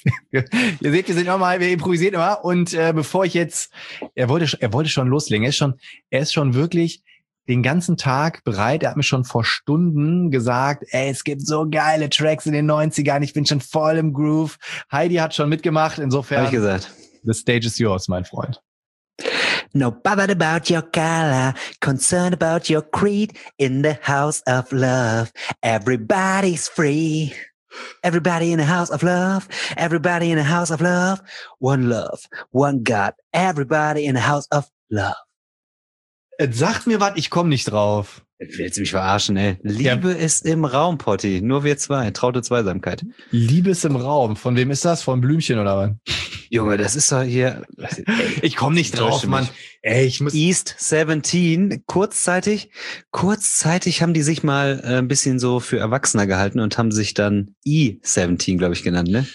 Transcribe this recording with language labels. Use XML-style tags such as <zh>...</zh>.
<de>Ihr seht, wir improvisieren immer. Und bevor ich jetzt, er wollte schon loslegen. Er ist schon wirklich den ganzen Tag bereit. Er hat mir schon vor Stunden gesagt, ey, es gibt so geile Tracks in den 90ern. Ich bin schon voll im Groove. Heidi hat schon mitgemacht. Insofern. Hab ich gesagt.</de> <en>The stage is yours,</en> <de>mein Freund.</de> <en>No bother about your color, concerned about your creed, in the house of love, everybody's free. Everybody in the house of love, everybody in the house of love, one God, everybody in the house of love.</en> <de>Sagt mir was, ich komme nicht drauf. Willst du mich verarschen, ey? Liebe ja. Ist im Raum, Potti, nur wir zwei, traute Zweisamkeit. Liebe ist im Raum, von wem ist das? Von Blümchen oder was? Junge, das ist doch hier... Ich komme nicht drauf, Mann. Ey, ich muss East 17, kurzzeitig haben die sich mal ein bisschen so für Erwachsener gehalten und haben sich dann E-17, glaube ich, genannt, ne?</de>